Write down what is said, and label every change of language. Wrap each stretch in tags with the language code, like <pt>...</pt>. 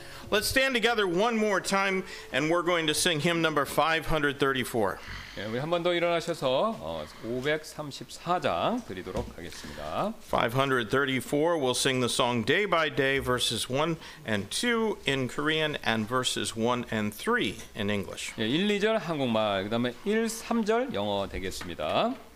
<en>Let's stand together one more time, and we're going to sing hymn number 534.</en> <ko>예, 우리 한 번 더 일어나셔서 534장 드리도록 하겠습니다.</ko> <en>534, we'll sing the song Day by Day, verses 1 and 2 in Korean, and verses 1 and 3 in English.</en> <ko>예, 1, 2절 한국말, 그 다음에 1, 3절 영어 되겠습니다.</ko>